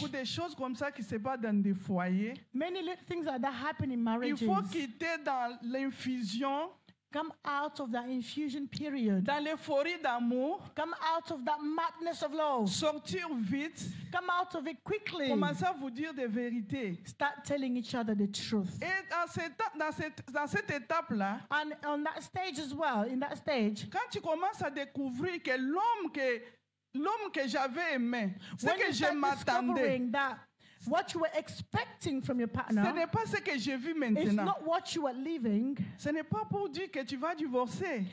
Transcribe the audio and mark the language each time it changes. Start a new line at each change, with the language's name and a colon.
French: Beaucoup de choses comme ça qui se passent dans des foyers.
English: Many little things like that happen in marriages.
French: Il faut quitter dans l'infusion.
English: Come out of that infusion period.
French: Dans l'euphorie d'amour.
English: Come out of that madness of love.
French: Sortir vite.
English: Come out of it quickly.
French: Commencez à vous dire des vérités.
English: Start telling each other the truth.
French: Et dans cette étape là.
English: And on that stage as well, in that stage.
French: Quand tu commences à découvrir que l'homme que j'avais aimé, c'est que je m'attendais.
English: What you were expecting from your partner.
French: Ce n'est pas ce que j'ai vu maintenant.
English: It's not what you were leaving.
French: Ce n'est pas pour dire que tu vas divorcer.